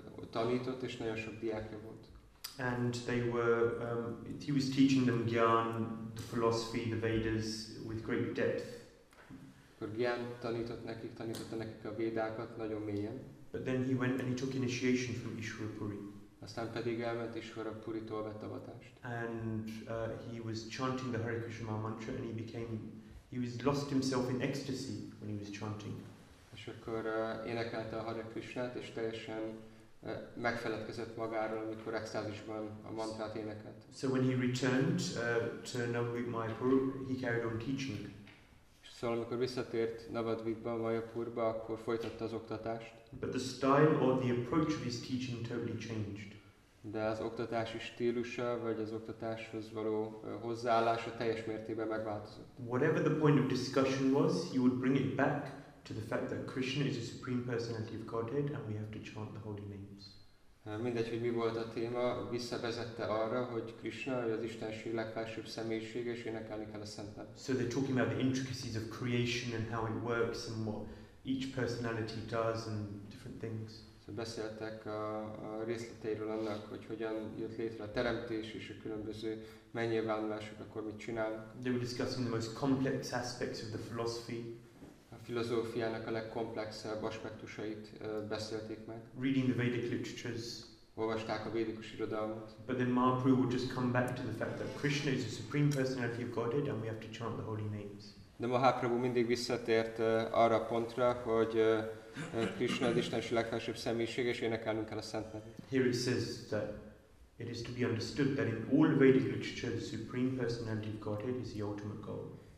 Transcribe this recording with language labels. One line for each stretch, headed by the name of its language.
Hungarian: Tanított és nagyon sok diákja volt.
English: And they were, he was teaching them gyan, the philosophy, the Vedas, with great depth.
Hungarian: Akkor gyan tanította nekik a Védákat nagyon mélyen.
English: But then he went and he took initiation from Ishwarpuri.
Hungarian: Aztán pedig elment és Harapuritól vett avatást.
English: And he was chanting the Hare Krishna mantra and he lost himself in ecstasy when he was chanting.
Hungarian: És akkor énekelte a Hare Krishnát és teljesen megfeledkezett magáról, amikor extázisban a mantrát énekelt.
English: So when he returned to Navadvip Mayapur, he carried on teaching.
Hungarian: Szóval amikor visszatért Navadvipba, Mayapurba, akkor folytatta az oktatást.
English: But the style or the approach of his teaching totally changed.
Hungarian: De az oktatási stílusa, vagy az oktatáshoz való hozzáállása teljes mértében megváltozott.
English: Whatever the point of discussion was, he would bring it back to the fact that Krishna is the Supreme Personality of Godhead and we have to chant the holy names.
Hungarian: Mindegy, hogy mi volt a téma, visszavezette arra, hogy Krishna az Istenség legfelsőbb személyisége, és énekelni kell a szent nevet.
English: So they're talking about the intricacies of creation and how it works and what each personality does and different things.
Hungarian: Beszéltek a részleteiről annak, hogy hogyan jött létre a teremtés és a különböző megnyilvánulások, akkor mit csinálnak.
English: They were discussing the most complex aspects of the philosophy.
Hungarian: A filozófiának a legkomplexebb aspektusait beszélték meg.
English: Reading the Vedic literatures.
Hungarian: Olvasták a védikus irodalmat.
English: But then Mahaprabhu would just come back to the fact that Krishna is the Supreme Personality of Godhead and we have to chant the holy names.
Hungarian: De Mahaprabhu mindig visszatért arra pontra, hogy Krishna az Istenség legfelsőbb személyiség, és énekelnünk kell a szent nevét.
English: Here it says that it is to be understood that in all Vedic literature the Supreme Personality of Godhead is the ultimate goal.